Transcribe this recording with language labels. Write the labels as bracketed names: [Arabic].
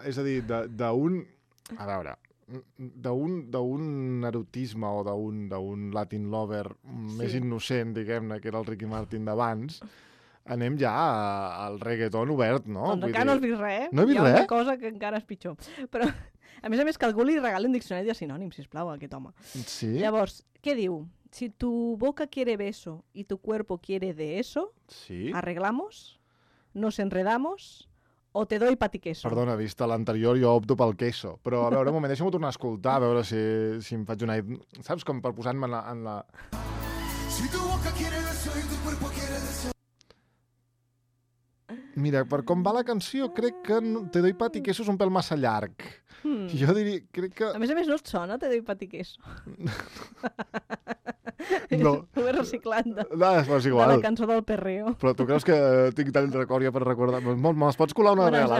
[Catalan] És a dir, d'un... A veure... D'un erotisme o d'un [English] Latin lover [Catalan] més innocent, diguem-ne, que era el Ricky Martin d'abans, anem ja al reggaeton obert, no? Doncs encara no has vist res. No he vist res? Hi ha res? Una cosa que encara és pitjor. Però, a més, que algú li regali un diccionari de sinònims, sisplau, a aquest home. Sí? Llavors, què diu? [Spanish] Si tu boca quiere beso y tu cuerpo quiere de eso, sí, arreglamos, nos enredamos o te doy pati queso. [Catalan] Perdona, vista l'anterior, jo opto pel queso. Però, a veure, un moment, deixa'm-ho tornar a escoltar, a veure si em faig una... Saps? Com per posar-me en la... [Spanish] Si tu boca quiere beso y tu cuerpo quiere de eso... [Catalan] Mira, per com va la canció, crec que [Spanish] Te doy pati queso [Catalan] és un pèl massa llarg. Hmm. Jo diria, crec que... A més, no et sona, [Spanish] Te doy pati queso. [Catalan] No. Ho he reciclat de la cançó del Perreo. Però tu creus que tinc tant de record ja per recordar? Me'ls pots colar una vegada?